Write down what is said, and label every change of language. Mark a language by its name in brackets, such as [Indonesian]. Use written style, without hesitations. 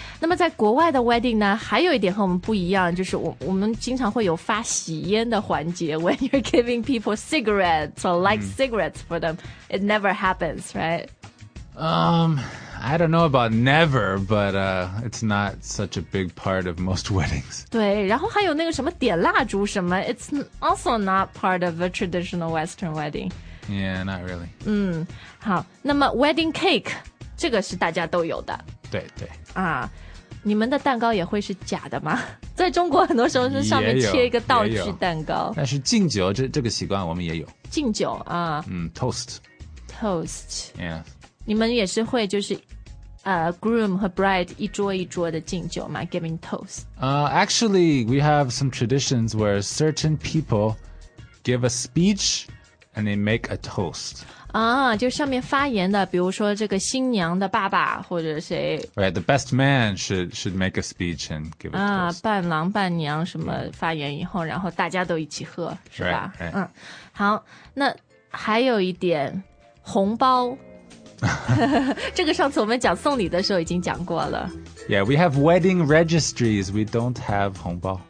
[Chinese] 那么在国外的 wedding 呢，还有一点和我们不一样，就是我们经常会有发喜烟的环节。 [English] When you're giving people cigarettes or like cigarettes for them, it never happens, right? I don't know about never, but it's not such a big part of most weddings. [Chinese] 对，然后还有那个什么点蜡烛什么， [English] it's also not part of a traditional Western wedding. Yeah, not really. [Chinese] 好，那么 wedding cake这个是大家都有的，对对啊，你们的蛋糕也会是假的吗？在中国很多时候是上面切一个道具蛋糕，但是敬酒这个习惯我们也有，敬酒啊， [English] toast yeah， [Chinese] 你们也是会就是groom 和 bride 一桌一桌的敬酒吗？ [English] giving toast actually we have some traditions where certain people give a speech and they make a toast [Chinese] 就上面发言的，比如说这个新娘的爸爸或者谁。 [English] Right, the best man should make a speech and give a toast. [Chinese] 伴郎伴娘什么发言以后，然后大家都一起喝，是吧？ [English] Right, right. [Chinese] 好，那还有一点，红包。这个上次我们讲送礼的时候已经讲过了。 [English] Yeah, we have wedding registries. We don't have 红包。